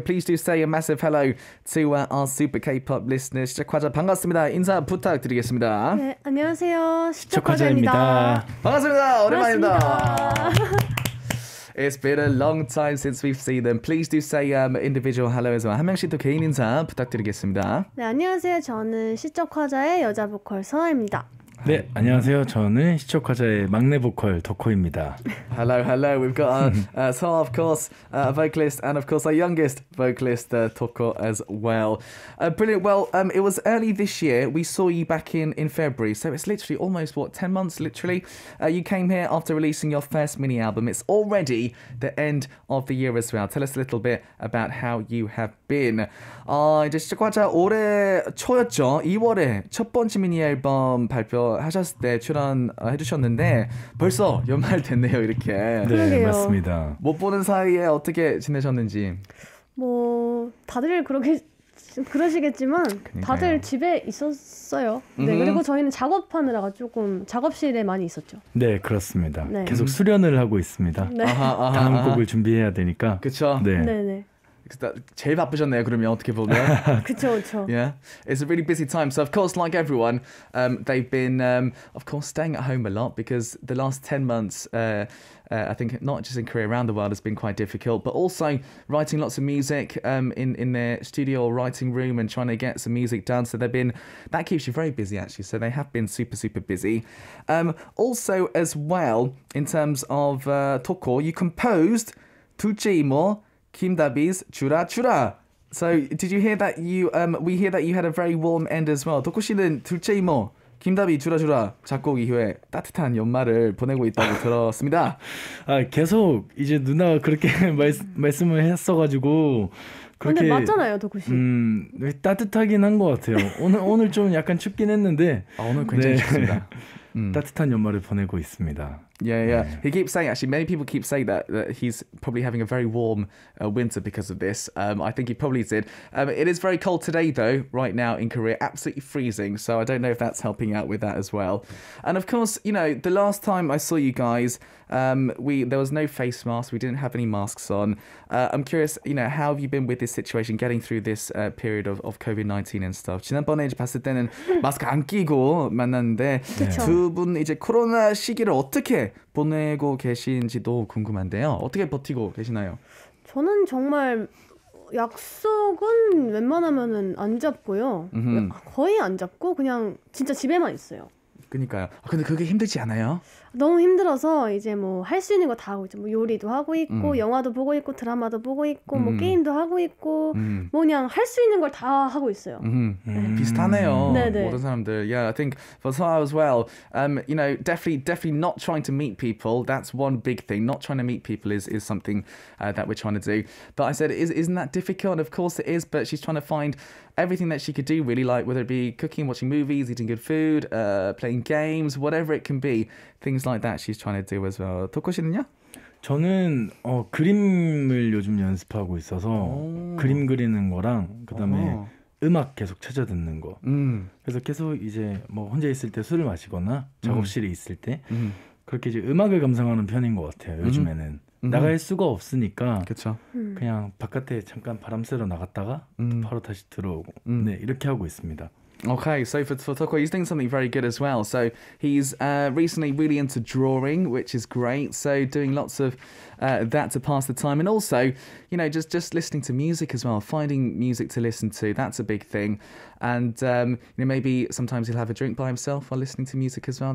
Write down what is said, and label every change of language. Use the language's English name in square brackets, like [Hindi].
[English] Please do say a massive hello to our super K-pop listeners. Chicha Kwaja, [Korean] 반갑습니다. 인사 부탁. 드리겠습니다. 네, 안녕하세요. 시청자입니다. 반갑습니다. 오랜만입니다. [English] It's been a long time since we've seen them. Please do say individual hello as well. [Korean] 한 명씩 또 개인 인사 부탁드리겠습니다. 네, 안녕하세요. 저는 시청자의 여자 보컬 서아입니다. 네, 안녕하세요. 저는 시초카자의 막내 보컬 도코입니다. [English] Hello, hello. We've got so of course a vocalist and of course our youngest vocalist, Toko as well. Brilliant. Well, it was early this year. We saw you back in February. So it's literally almost what 10 months literally. You came here after releasing your first mini album. It's already the end of the year as well. Tell us a little bit about how you have been. [Korean] 아, 이제 시초카자 올해 초였죠. 2월에 첫 번째 미니 앨범 발표 하셨을 때 출연 해주셨는데 벌써 연말 됐네요 이렇게. 네, 맞습니다. 못 보는 사이에 어떻게 지내셨는지. 뭐 다들 그러시겠지만 다들 집에 있었어요. 네, 그리고 저희는 작업하느라가 조금 작업실에 많이 있었죠. 네, 그렇습니다. 네. 계속 수련을 하고 있습니다. 네. 다음 곡을 준비해야 되니까. 그렇죠. 네, 네, 네. 제일 바쁘셨네요 그러면 어떻게 보면 그렇죠 그렇죠 [English] yeah it's a really busy time so of course like everyone they've been of course staying at home a lot because the last 10 months I think not just in Korea around the world has been quite difficult but also writing lots of music in their studio or writing room and trying to get some music done so they've been that keeps you very busy actually so they have been super super busy also as well in terms of Toko you composed 둘째 이모 Kim Dabi's Chura Chura. So, did you hear that you, we hear that you had a very warm end as well. [Korean] 도코 씨는 둘째 이모, 김다비 Chura Chura 작곡 이후에 따뜻한 연말을 보내고 있다고 들었습니다. 아, 계속 이제 누나가 그렇게 말씀을 했어가지고 그렇게 근데 맞잖아요, 도코 씨. 따뜻하긴 한 것 같아요. 오늘 좀 약간 춥긴 했는데 아, 오늘 굉장히 네. 춥습니다. 따뜻한 연말을 보내고 있습니다. [English] Yeah, yeah. 네. He keeps saying, actually, many people keep saying that he's probably having a very warm winter because of this. I think he probably did. It is very cold today, though, right now in Korea. Absolutely freezing. So I don't know if that's helping out with that as well. And of course, you know, the last time I saw you guys, there was no face mask. We didn't have any masks on. I'm curious, you know, how have you been with this situation, getting through this period of COVID-19 and stuff? [Korean] 지난번에 이제 봤을 때는 마스크 안 끼고 만났는데 두 분 이제 코로나 시기를 어떻게 보내고 계신지도 궁금한데요. 어떻게 버티고 계시나요? 저는 정말 약속은 웬만하면은 안 잡고요. 거의 안 잡고 그냥 진짜 집에만 있어요. 그러니까요. 아, 근데 그게 힘들지 않아요? 너무 힘들어서 이제 뭐 할 수 있는 거 다 하고 있죠. 뭐 요리도 하고 있고 영화도 보고 있고 드라마도 보고 있고 뭐 게임도 하고 있고 뭐 그냥 할 수 있는 걸 다 하고 있어요. 비슷하네요. 네네. 모든 사람들. [English] Yeah, I think for Sarah as well. You know, definitely not trying to meet people. That's one big thing. Not trying to meet people is something that we're trying to do. But I said, isn't that difficult? Of course it is. But she's trying to find everything that she could do really, like whether it be cooking, watching movies, eating good food, playing games, whatever it can be. Things like that she's trying to do as well. [Korean] 토코 씨는요? 저는 그림을 요즘 연습하고 있어서 그림 그리는 거랑 그다음에 음악 계속 찾아 듣는 거. 그래서 계속 이제 뭐 혼자 있을 때 술을 마시거나 작업실에 있을 때 그렇게 이제 음악을 감상하는 편인 것 같아요. 요즘에는. 나갈 수가 없으니까 그쵸. 그냥 바깥에 잠깐 바람 쐬러 나갔다가 바로 다시 들어오고 네 이렇게 하고 있습니다. [English] Okay, so for Toko, he's doing something very good as well. So he's recently really into drawing, which is great. So doing lots of that to pass the time. And also, you know, just listening to music as well, finding music to listen to, that's a big thing. And you know, maybe sometimes he'll have a drink by himself while listening to music as well.